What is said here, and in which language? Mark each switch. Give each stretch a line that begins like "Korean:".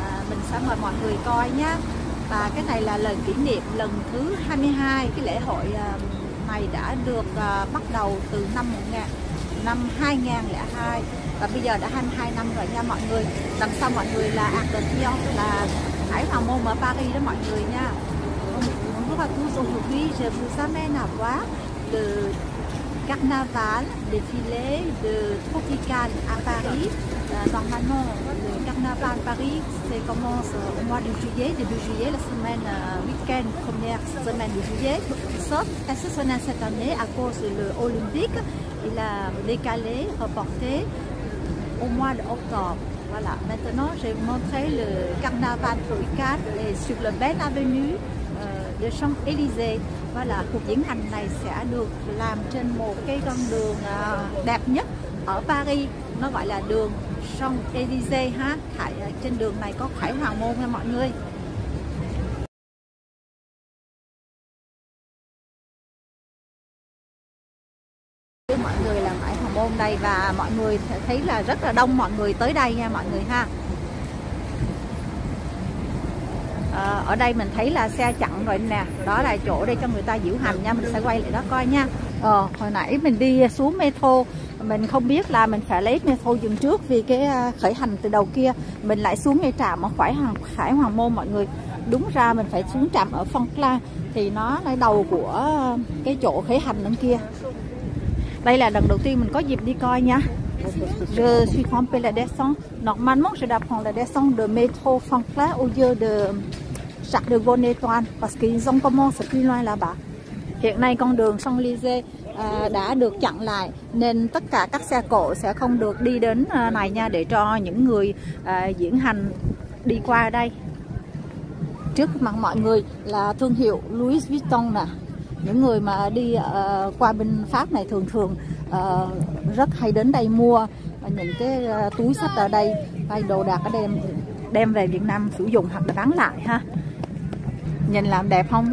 Vietnamese: Mình sẽ mời mọi người coi nhé. Và cái này là lần kỷ niệm lần thứ 22. Cái lễ hội này đã được bắt đầu từ năm 2002, và bây giờ đã 22 năm rồi nha mọi người. Đằng sau mọi người là Arc de Triomphe, là Hải Hoàng Môn ở Paris đó mọi người nha.
French: Bonjour à tous, aujourd'hui je vous amène à voir le carnaval défilé de Tropicale à Paris. Normalement, le carnaval à Paris ça commence au mois de juillet, début juillet, la semaine week-end, première semaine de juillet. Sauf que cette année, à cause de l'Olympique, il a décalé, reporté au mois d'octobre. Voilà, maintenant je vais vous montrer le carnaval Tropicale sur la belle avenue.
Vietnamese: Le Champs-Élysées, voilà, cuộc diễn hành này sẽ được làm trên một cái con đường đẹp nhất ở Paris, nó gọi là đường Champs-Élysées ha. Trên đường này có Khải Hoàng Môn nha mọi người. Mọi người là Khải Hoàng Môn đây, và mọi người thấy là rất là đông mọi người tới đây nha mọi người ha. Ở đây mình thấy là xe chặn rồi nè, đó là chỗ để cho người ta diễu hành nha, mình sẽ quay lại đó coi nha. Hồi nãy mình đi xuống metro, mình không biết là mình phải lấy metro dừng trước vì cái khởi hành từ đầu kia, mình lại xuống ngay trạm ở Khải Hoàng Môn mọi người. Đúng ra mình phải xuống trạm ở Phong La, thì nó lại đầu của cái chỗ khởi hành đằng kia. Đây là lần đầu tiên mình có dịp đi coi nha.
French: Je suis trompé la descente. Normalement, je dois prendre la descente de métro Franklin au lieu de Charles de Gaulle Étoile parce qu'ils ont commencé plus loin là-bas.
Vietnamese: Hiện nay con đường Champs-Élysées đã được chặn lại nên tất cả các xe cộ sẽ không được đi đến này nha, để cho những người diễn hành đi qua đây. Trước mặt mọi người là thương hiệu Louis Vuitton nè. Những người mà đi qua bên Pháp này thường rất hay đến đây mua những cái túi xách ở đây, hay đồ đạc ở đây đem về Việt Nam sử dụng hoặc là bán lại ha. Nhìn làm đẹp không?